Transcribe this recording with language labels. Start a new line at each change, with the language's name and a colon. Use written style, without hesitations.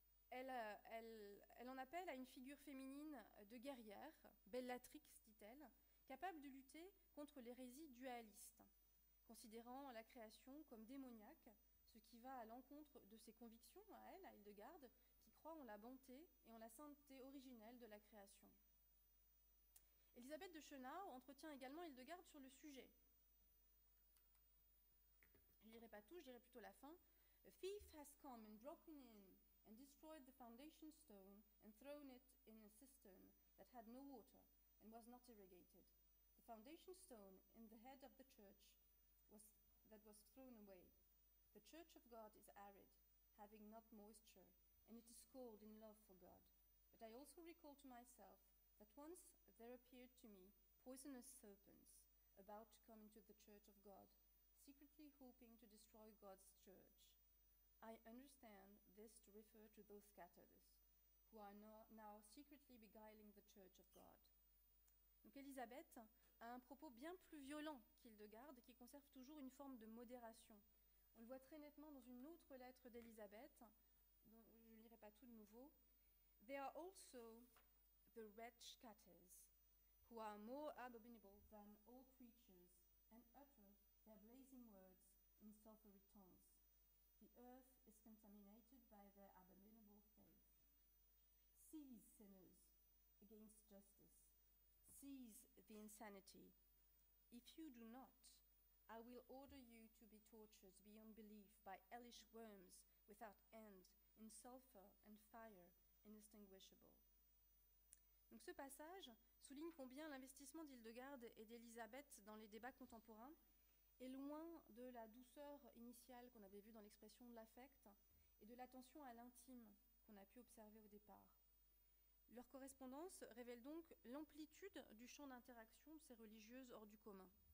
French: Elle en appelle à une figure féminine de guerrière, Bellatrix, dit-elle, capable de lutter contre l'hérésie dualiste, considérant la création comme démoniaque, ce qui va à l'encontre de ses convictions à elle, à Hildegarde, qui croit en la bonté et en la sainteté originelle de la création. Élisabeth de Schönau entretient également Hildegarde sur le sujet. Je ne lirai pas tout, je dirai plutôt la fin.
English: « A thief has come and broken in and destroyed the foundation stone and thrown it in a cistern that had no water and was not irrigated. The foundation stone in the head of the church was thrown away. The church of God is arid, having not moisture. And it is cold in love for God. But I also recall to myself that once there appeared to me poisonous serpents about to come into the church of God, secretly hoping to destroy God's church. I understand this to refer to those scatterers who are now secretly beguiling the church of God. »
French: Donc Élisabeth a un propos bien plus violent qu'Hildegarde, qui conserve toujours une forme de modération. On le voit très nettement dans une autre lettre d'Élisabeth, dont je ne lirai pas tout de nouveau.
English: « There are also the wretched scatterers, who are more abominable than all creatures, and utter their blazing words in sulfury tongues. The earth is contaminated by their abominable faith. Seize sinners against justice. Seize the insanity. If you do not, I will order you to be tortured beyond belief by hellish worms without end, in sulfur and fire, inextinguishable. »
French: Donc ce passage souligne combien l'investissement d'Hildegarde et d'Élisabeth dans les débats contemporains est loin de la douceur initiale qu'on avait vue dans l'expression de l'affect et de l'attention à l'intime qu'on a pu observer au départ. Leur correspondance révèle donc l'amplitude du champ d'interaction de ces religieuses hors du commun.